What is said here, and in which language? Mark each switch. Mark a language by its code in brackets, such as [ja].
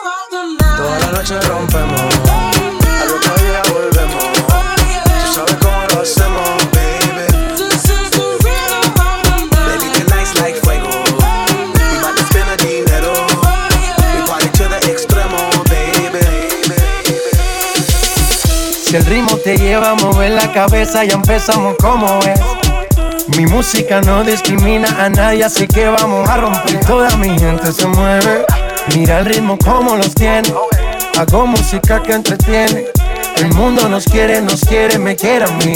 [es] Toda la noche rompemos, al otro día volvemos. Tú sabes cómo lo hacemos, baby. [en] This is the rhythm of the night. Baby, tonight's like fuego. We about to spend the dinero. We party to the extremo, baby. [es] Si el ritmo te lleva a mover la cabeza, ya empezamos como es. Mi música no discrimina a nadie, así que vamos a romper. Toda mi gente se mueve. Mira el ritmo como los tiene. Hago música que entretiene. El mundo nos quiere, me quiere a mí.